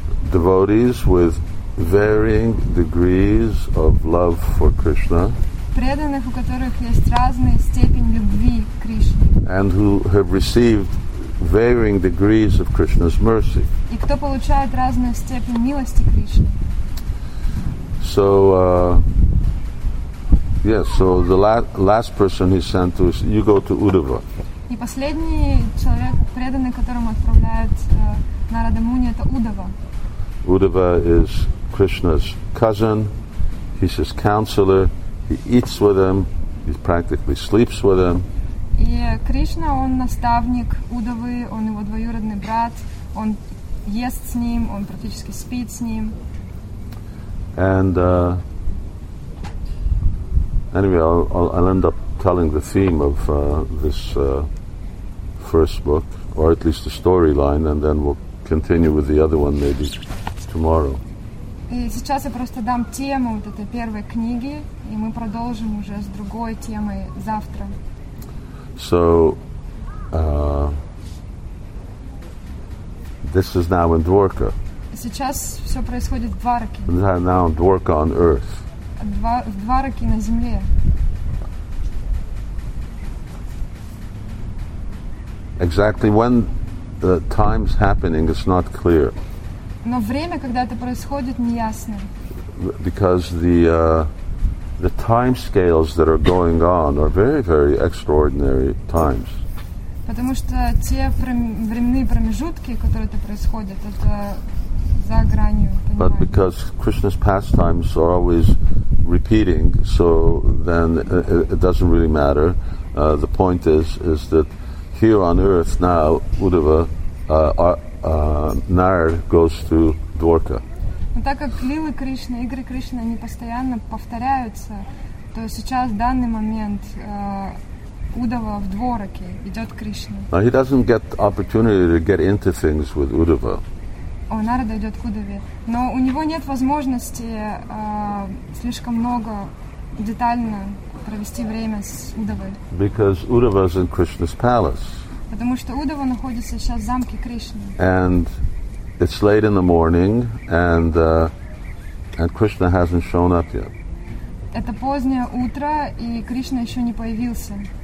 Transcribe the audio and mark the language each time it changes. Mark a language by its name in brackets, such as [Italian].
[English] Devotees with varying degrees of love for Krishna. [Russian] Преданных, у которых есть разные степени любви к Кришне. [English] And who have received varying degrees of Krishna's mercy. [Russian] И кто получает разную степень милости Кришны. [English] So, so the last person he sent to is, you go to Uddhava. [Russian] И последний человек, преданный, которому отправляет Нарада Муни, это Уддхава. [English] Uddhava is Krishna's cousin. He's his counselor. He eats with him. He practically sleeps with him. [Russian] И Кришна, он наставник Уддхавы, он его двоюродный брат. Он ест с ним, он практически спит с ним. [English] And anyway, I'll end up telling the theme of this first book, or at least the storyline, and then we'll continue with the other one maybe tomorrow. [Russian] И сейчас я просто дам тему вот этой первой книги, и мы продолжим уже с другой темой завтра. [English] So, this is now in Dvarka. [Russian] Сейчас все происходит в Двараке. [English] Now in Dvarka on Earth. [Russian] В Двараке на Земле. [English] Exactly when the time's happening, it's not clear. [Russian] Но время, когда это происходит, неясно. [English] Because the time scales that are going on are very, very extraordinary times. [Russian] Потому что те временные промежутки, которые это происходит, это за гранью. [English] But because Krishna's pastimes are always repeating, so then it doesn't really matter. The point is that here on Earth now, Uddhava, Narad goes to Dvarka. [Russian] Но так как лилы Кришны, игры Кришны, они постоянно повторяются, то сейчас, в данный момент, Уддхава в Двараке, идет к Кришне. [English] Now he doesn't get opportunity to get into things with Uddhava. [Russian] О, Нарада идет к Уддхаве. Но у него нет возможности слишком много детально провести время с Уддхавой. [English] Because Uddhava is in Krishna's palace. [Russian] Потому что Уддхава находится сейчас в замке Кришны. [English] And it's late in the morning, and Krishna hasn't shown up yet. [Russian] Это позднее утро, и Кришна еще не появился.